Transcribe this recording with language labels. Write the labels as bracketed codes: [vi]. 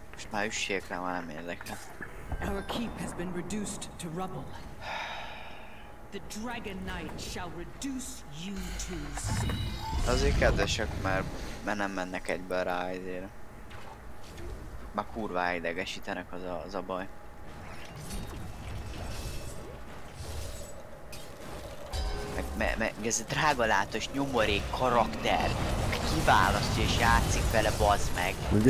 [hu] Már üssék rá, már nem érdekel. [en] Our keep has been reduced to rubble. The Dragon Knight shall reduce you to sea. [hu] Azért kedvesek, mert nem mennek egyből rá ezért. Már kurvá idegesítenek, az a baj. Meg ez a drágalátos nyomorék karakter. Kiválasztja és játszik vele, bazd meg. Ugye?